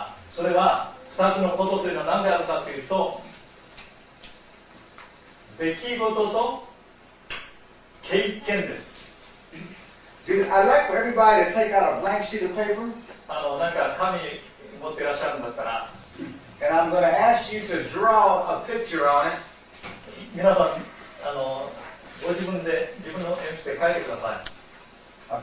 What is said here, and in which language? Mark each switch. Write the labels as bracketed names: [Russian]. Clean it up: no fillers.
[Japanese] それは二つのことというのは何であるかというと、出来事と経験です。 [English] Dude, I'd like for everybody to take out a blank sheet of paper. [Japanese] なんか紙持っていらっしゃるんだったら、 [English] and I'm going to ask you to draw a picture on it. [Japanese] 皆さん、ご自分で自分の鉛筆で書いてください。